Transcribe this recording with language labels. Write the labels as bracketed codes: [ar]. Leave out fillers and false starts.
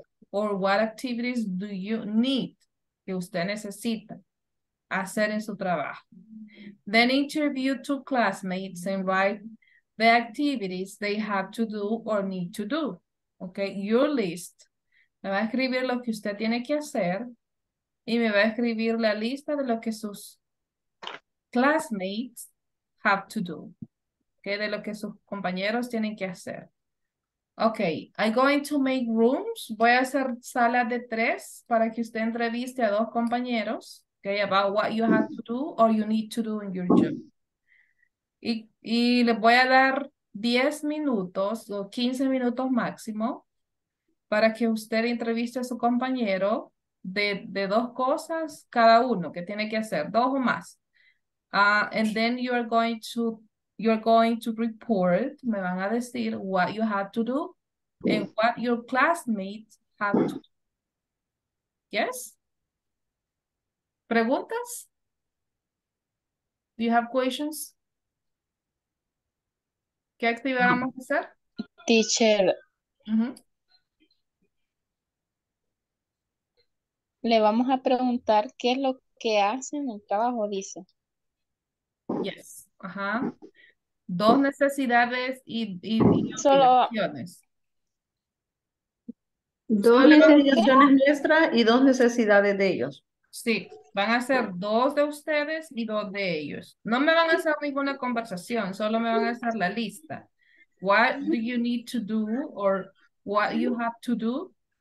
[en] Or what activities do you need, [es] que usted necesita hacer en su trabajo? [en] Then interview two classmates and write the activities they have to do or need to do. Okay, your list. [es] Me va a escribir lo que usted tiene que hacer y me va a escribir la lista de lo que sus classmates [en] have to do. [es] Okay, de lo que sus compañeros tienen que hacer. [en] Okay, I'm going to make rooms. [es] Voy a hacer salas de tres para que usted entreviste a dos compañeros, [en] okay, about what you have to do or you need to do in your job. [es] Y les voy a dar 10 minutos o 15 minutos máximo para que usted entreviste a su compañero de dos cosas cada uno que tiene que hacer, dos o más. [en] And then you're going to report, [es] me van a decir [en] what you have to do and what your classmates have to do. Yes? [es] ¿Preguntas? [en] Do you have questions? [es] ¿Qué actividad vamos a hacer? [en] Teacher. [es] Le vamos a preguntar qué es lo que hacen en el trabajo, dice. Yes. dos necesidades y opciones. Solo dos necesidades nuestras y dos necesidades de ellos. Sí, van a ser dos de ustedes y dos de ellos. No me van a hacer ninguna conversación, solo me van a hacer la lista. [en] What do you need to do or what you have to do?